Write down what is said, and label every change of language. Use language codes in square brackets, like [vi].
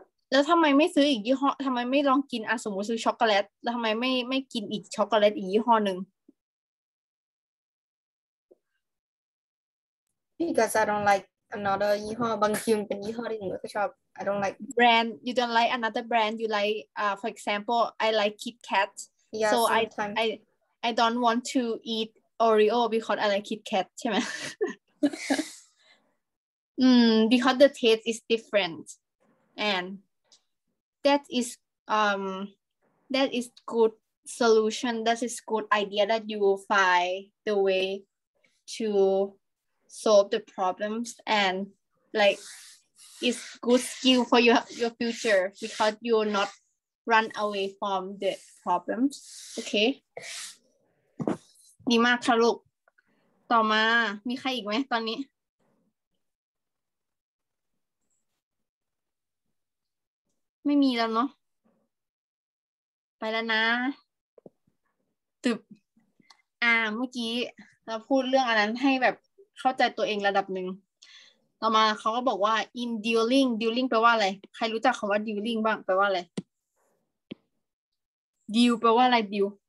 [th] แล้วทำไมไม่ซื้ออีกยี่ห้อทำไมไม่ลองกินอ่ะสมมติซื้อช็อกโกแลตแล้วทำไมไม่กินอีกช็อกโกแลตอีกยี่ห้อหนึ่ง [en] because I don't like another [th] ยี่ห้อบางทีมันเป็นยี่ห้อที่หนูก็ชอบ [en] I don't like brand you don't like another brand you like for example I like Kit Kat yeah, so I don't want to eat Oreo because I like Kit Kat, [th] ใช่ไหม [en] because the taste is different and that is good solution, that is good idea that you will find the way to solve the problems and like it's good skill for your future because you'll not run away from the problems, okay? [th] ดีมากค่ะลูกต่อมามีใครอีกไหมตอนนี้ไม่มีแล้วเนาะไปแล้วนะตึบเมื่อกี้เราพูดเรื่องอันนั้นให้แบบเข้าใจตัวเองระดับหนึ่งต่อมาเขาก็บอกว่า in dealing แปลว่าอะไรใครรู้จักคำว่า dealing บ้างแปลว่าอะไร deal แปลว่าอะไร deal